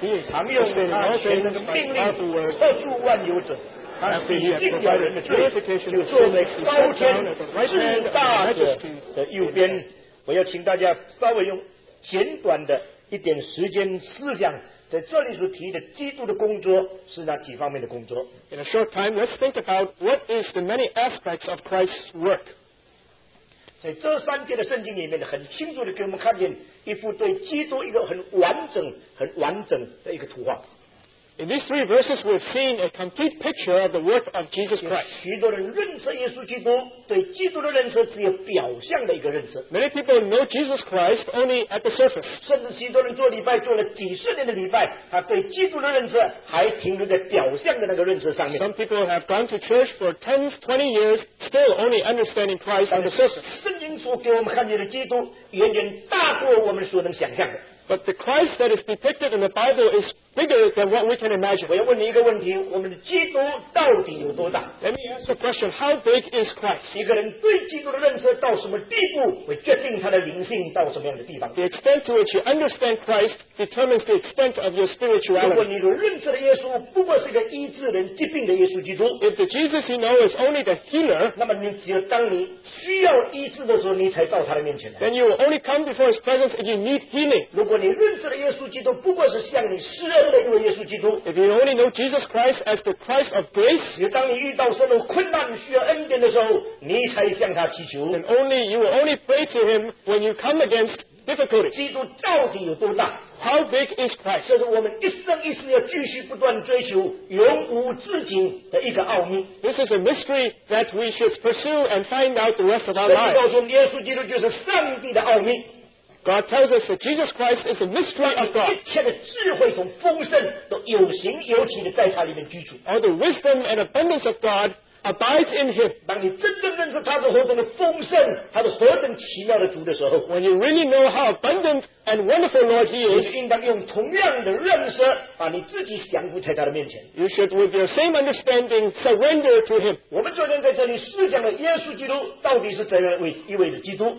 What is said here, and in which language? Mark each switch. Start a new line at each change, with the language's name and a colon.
Chinese: 常用他全能的命令托住万有者，他洗净了人的罪，就坐在高天至大者的右边。我要请大家稍微用简短的一点时间思想，在这里所提的基督的工作是哪几方面的工作。
English: In a short time, let's think about what is the many aspects of Christ's work.
Chinese: 在这三节的圣经里面，很清楚的给我们看见一幅对基督一个很完整很完整的一个图画。
English: In these three verses, we've seen a complete picture of the work of Jesus Christ.
Chinese: 许多人认识耶稣基督，对基督的认识只有表象的一个认识。
English: Many people know Jesus Christ only at the surface.
Chinese: 甚至许多人做礼拜做了几十年的礼拜，他对基督的认识还停留在表象的那个认识上面。
English: Some people have gone to church for 10-20 years, still only understanding Christ on the surface.
Chinese: 圣经所给我们看见的基督，远远大过我们所能想象的。
English: But the Christ that is depicted in the Bible is bigger than what we can imagine.
Chinese: 我要问你一个问题，我们的基督到底有多大？
English: Let me ask a question, how big is Christ?
Chinese: 一个人对基督的认识到什么地步，会决定他的灵性到什么样的地方。
English: The extent to which you understand Christ determines the extent of your spirituality.
Chinese: 如果你所认识的耶稣不过是个医治人疾病的耶稣基督，
English: If the Jesus you know is only the healer,
Chinese: 那么你只有当你需要医治的时候，你才到他的面前来。
English: Then you will only come before his presence if you need healing.
Chinese: 如果你认识的耶稣基督不过是向你施恩的一位耶稣基督，
English: If you only know Jesus Christ as the Christ of grace,
Chinese: 也当你遇到什么困难需要恩典的时候，你才向他祈求。
English: And only, you will only pray to him when you come against difficulty.
Chinese: 基督到底有多大？
English: How big is Christ?
Chinese: 这是我们一生一世要继续不断追求永无止境的一个奥秘。
English: This is a mystery that we should pursue and find out the rest of our lives.
Chinese: 告诉我们耶稣基督就是上帝的奥秘。
English: God tells us that Jesus Christ is the mystery of God.
Chinese: 一切的智慧从丰盛都有形有体的在他里面居住。
English: All the wisdom and abundance of God abides in Him.
Chinese: 当你真正认识他是何等的丰盛，他是何等奇妙的主的时候，
English: When you really know how abundant and wonderful Lord He is,
Chinese: 你就应当用同样的认识把你自己降服在他的面前。
English: You should, with your same understanding, surrender to Him.
Chinese: 我们昨天在这里思想了耶稣基督到底是怎样一位的基督。